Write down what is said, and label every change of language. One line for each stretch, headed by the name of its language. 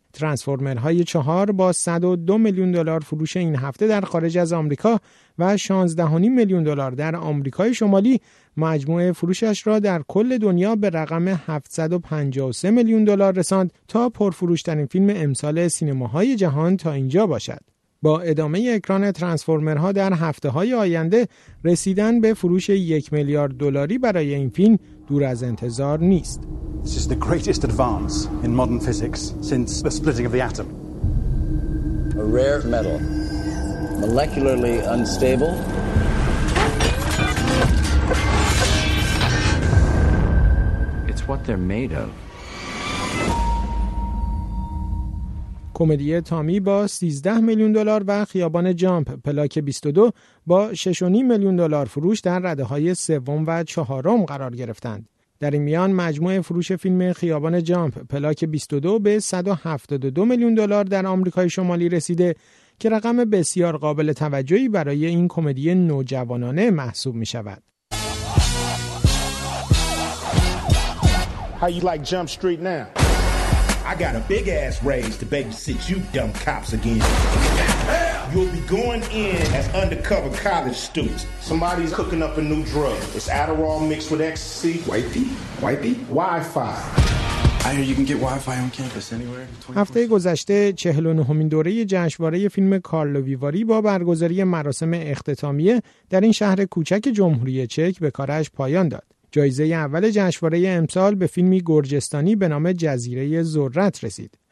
Persian: ترانسفورمرهای 4 با 102 میلیون دلار فروش این هفته در خارج از آمریکا و 16.5 میلیون دلار در آمریکای شمالی، مجموع فروشش را در کل دنیا به رقم 753 میلیون دلار رساند تا پرفروشترین فیلم امسال سینماهای جهان تا اینجا باشد. با ادامه اکران ترانسفورمرها در هفته‌های آینده، رسیدن به فروش 1 میلیارد دلاری برای این فیلم دور از انتظار نیست.
English: This is the greatest advance in modern physics since the splitting of the atom. A rare metal, molecularly unstable. It's what they're made of.
Persian: کمدی تامی با 13 میلیون دلار و خیابان جامپ پلاک 22 با 6.5 میلیون دلار فروش در رده‌های سوم و چهارم قرار گرفتند. در این میان مجموع فروش فیلم خیابان جامپ پلاک 22 به 172 میلیون دلار در آمریکای شمالی رسیده که رقم بسیار قابل توجهی برای این کمدی نوجوانانه محسوب می‌شود.
English: How you like Jump Street now? I got a big ass raise to babysit you dumb cops again. You'll be going in as undercover college students. Somebody's cooking up a new drug. It's Adderall mixed with ecstasy. Wifey? Wi-Fi.
Persian: هفته گذشته 49مین دوره جشنواره فیلم کارلو ویواری با برگزاری مراسم اختتامیه در این شهر کوچک جمهوری چک به کارش پایان داد. جایزه اول جشنواره امسال به فیلمی گرجستانی به نام جزیره ذرت رسید.